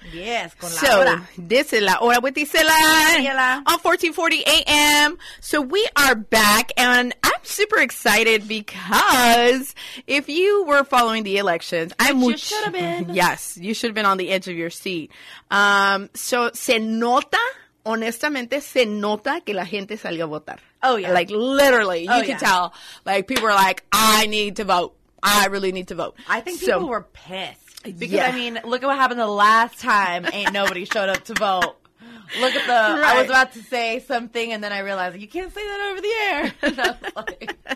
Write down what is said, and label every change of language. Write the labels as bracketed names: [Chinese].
[English] Yes, [Spanish] con [English] la hora. So, this is La Hora with Isela. Isela. On 1440 AM. So, we are back, and I'm super excited because if you were following the elections, should have been. Yes, you should have been on the edge of your seat. [Spanish] So, se nota, honestamente, se nota que la gente salió a votar. [English] Oh, yeah. Like, literally, you can tell. Like, people are like, I need to vote. I really need to vote. I think people were pissed. Because, I mean, look at what happened the last time. Ain't nobody showed up to vote. Look at the, I was about to say something, and then I realized, you can't say that over the air.